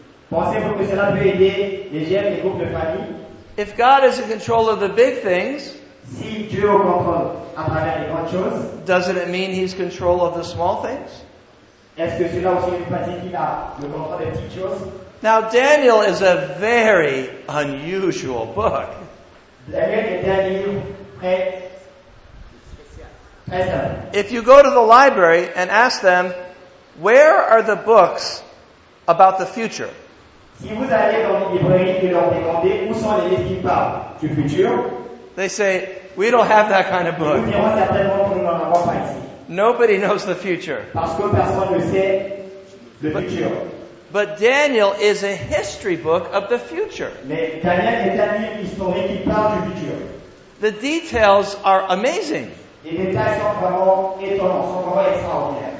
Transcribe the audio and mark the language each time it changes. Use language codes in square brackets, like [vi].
[fr] Pensez-vous que cela peut aider les jeunes, les groupes de famille? [en] If God is in control of the big things, [fr] si Dieu est au contrôle à travers les grandes choses, [en] doesn't it mean he's in control of the small things? [fr] Est-ce que cela aussi veut dire qu'il a le contrôle des petites choses? [en] Now Daniel is a very unusual book. [fr] Daniel est un livre très spécial. [en] If you go to the library and ask them, where are the books about the future? [fr] Si vous allez dans les librairies et leur demandez où sont les livres qui parlent du futur, [en] they say, we don't have that kind of book. [fr] Nous dirons certainement que nous n'en avons pas ici. [en] Nobody knows the future. [fr] Parce que personne ne sait le futur. [en] But Daniel is a history book of the future. [fr] Mais Daniel est un livre historique qui parle du futur. [en] The details are amazing. [fr] Les détails sont vraiment étonnants, sont vraiment extraordinaires.